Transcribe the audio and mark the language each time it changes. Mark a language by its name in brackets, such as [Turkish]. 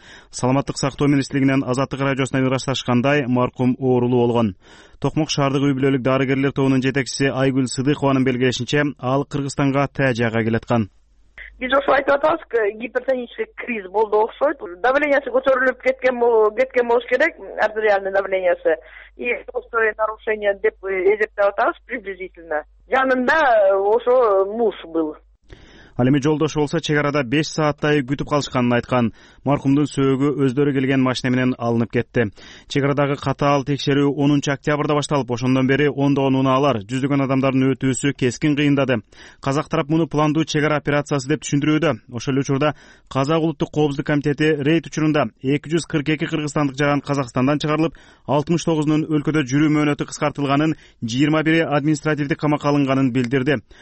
[Kyrgyz] Саламаттык сактоо министрлигинен Азаттык радиосуна ырасташкандай маркум оорулуу болгон. Токмок шаардык үй бүлөлүк дарыгерлер тобунун жетекчиси Айгүл Сыдыкованын белгилешинче, ал Кыргызстанга таажияга келаткан. Биз ошо айтып атабыз, гипертоничный криз болду окшойт. Давлениясы көтөрүлүп кеткен болуш керек, артериальный давлениясы. [Russian] И острое нарушение [Kyrgyz] деп эсептеп атабыз [Russian] приблизительно. [Kyrgyz] Жанында ошо [Russian] муж был. [Kyrgyz] Ал эми жолдошу болсо чек арада 5 сааттай күтүп калышканын айткан. Маркумдун сөөгү өздөрү келген машина менен алынып кетти. Чек арадагы катаал текшерүү 10 октябрда башталып, ошондон бери ондогон унаалар, жүздөгөн адамдардын өтүүсү кескин кыйындады. Казак тарап муну пландуу чек ара операциясы деп түшүндүрүүдө. Ошол эле учурда Казак улуттук коопсуздук комитети рейд учурунда 242 кыргызстандык жаран Казакстандан чыгарылып, 69 өлкөдө жүрүү мөөнөтү кыскартылганын, 21 административдик камакка алынганын билдирди.